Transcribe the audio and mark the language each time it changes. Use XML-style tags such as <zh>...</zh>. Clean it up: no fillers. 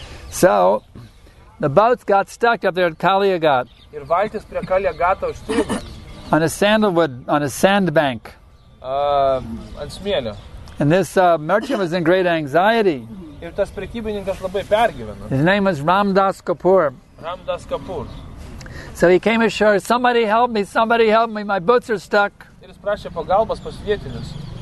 <en>So, the boats got stuck up there at Kaliagat. on a sandbank. And this merchant was in great anxiety.</en> <lt>Ir tas prekybininkas labai pergyveno.</lt> <en>His name was Ramdas Kapoor. Ramdas Kapoor. So he came ashore, somebody help me, my boats are stuck.</en> <lt>Ir jis prašė pagalbos pas vietinius.</lt>